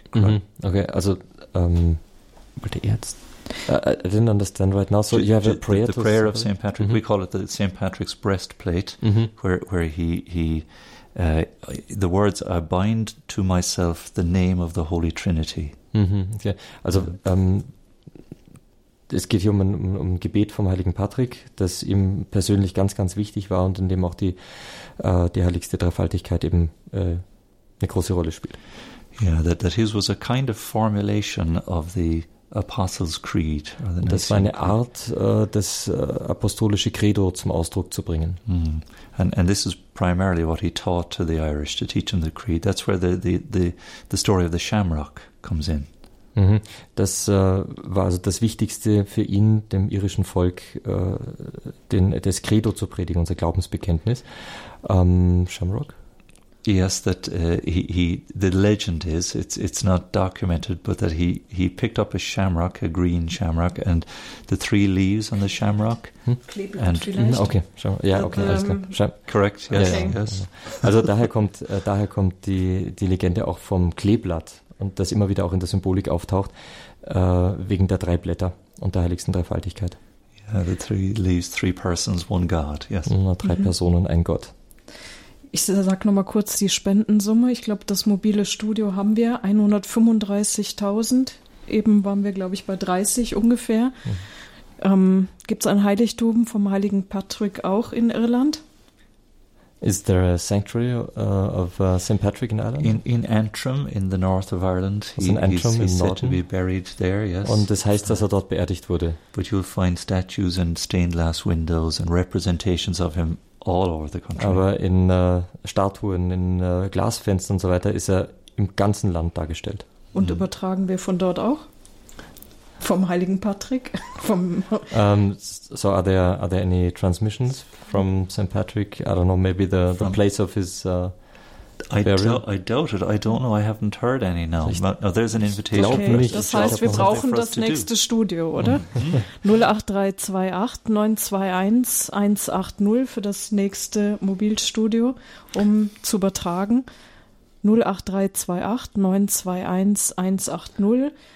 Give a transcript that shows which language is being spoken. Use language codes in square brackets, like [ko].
[de] Okay, also wollte jetzt. [en] I didn't understand right now. So you have a prayer. The prayer of St. Patrick. Mm-hmm. We call it the St. Patrick's breastplate, where he the words I bind to myself the name of the Holy Trinity. [de] Okay, also es geht hier um ein Gebet vom heiligen Patrick, das ihm persönlich ganz, ganz wichtig war und in dem auch die heiligste Dreifaltigkeit eben eine große Rolle spielt. [en] Yeah, that his was a kind of formulation of the Apostles' Creed. Or the [de] das war eine Art, das apostolische Credo zum Ausdruck zu bringen. [en] And this is primarily what he taught to the Irish, to teach them the Creed. That's where the story of the Shamrock comes in. [de] Das war also das Wichtigste für ihn, dem irischen Volk das Credo zu predigen, unser Glaubensbekenntnis. Shamrock? [en] Yes, that the legend is, it's not documented, but that he picked up a shamrock, a green shamrock, and the three leaves on the shamrock. Correct, yes. Okay. Yes. [de] Also daher kommt die Legende auch vom Kleeblatt, und das immer wieder auch in der Symbolik auftaucht, wegen der drei Blätter und der heiligsten Dreifaltigkeit. [en] Yeah, the three leaves, three persons, one God, yes. [de] Drei Personen, ein Gott. Ich sage nochmal kurz die Spendensumme. Ich glaube, das mobile Studio haben wir 135.000. Eben waren wir, glaube ich, bei 30 ungefähr. Mhm. Gibt es ein Heiligtum vom heiligen Patrick auch in Irland? [en] Is there a sanctuary of St. Patrick in Ireland? In Antrim, in the north of Ireland. [de] Also in Antrim, [en] he's said to be buried there, yes. [de] Und das heißt, dass er dort beerdigt wurde. [en] But you'll find statues and stained glass windows and representations of him all over the country. [de] Aber in Statuen, in Glasfenstern und so weiter ist er im ganzen Land dargestellt. Und übertragen wir von dort auch? Vom heiligen Patrick? [en] So are there any transmissions from St. Patrick? I don't know, maybe the place of his burial? I doubt it. I don't know. I haven't heard any now. No, there's an invitation. Okay. [de] Das heißt, wir brauchen das nächste Studio, oder? 08328 921 180 für das nächste Mobilstudio, um zu übertragen. 08328 921 180.